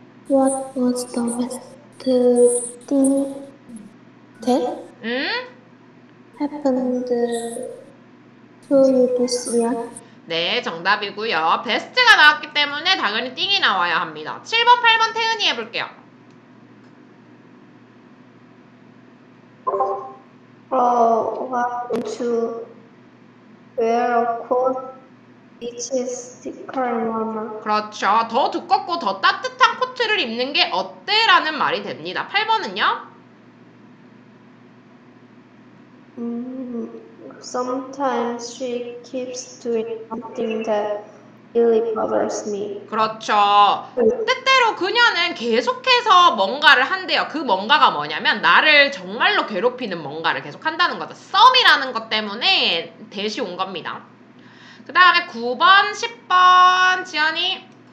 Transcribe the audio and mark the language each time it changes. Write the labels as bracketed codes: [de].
[en] What was the best thing that happened to you this year? [ko] 네, 정답이고요. 베스트가 나왔기 때문에 당연히 띵이 나와야 합니다. 7번, 8번 태은이 해볼게요. [en] 어, what would you wear a coat which is thicker and warmer? [ko] 그렇죠. 더 두껍고 더 따뜻한 코트를 입는 게 어때? 라는 말이 됩니다. 8번은요? [en] Sometimes she keeps doing something that really bothers me. [ko] 그렇죠. 때때로 그녀는 계속해서 뭔가를 한대요. 그 뭔가가 뭐냐면 나를 정말로 괴롭히는 뭔가를 계속한다는 거죠. 썸이라는 것 때문에 대시 온 겁니다. 그 다음에 9번, 10번 지연이.